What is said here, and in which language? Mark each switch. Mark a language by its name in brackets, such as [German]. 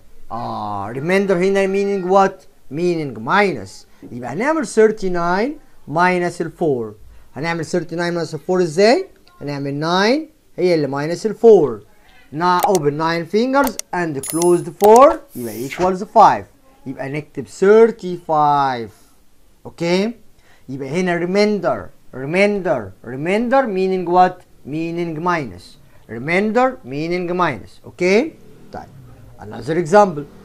[English] Remainder هنا meaning what؟ meaning minus. [Arabic] يبقى هنعمل 39 minus 4. هنعمل 39 minus 4 ازاي؟ هنعمل 9 هي اللي minus 4. [English] now open 9 fingers and close the 4 يبقى equals 5، [Arabic] يبقى نكتب [English] 35. okay، [Arabic] يبقى هنا [English] remainder meaning what؟ meaning minus. remainder meaning minus. okay، طيب another example.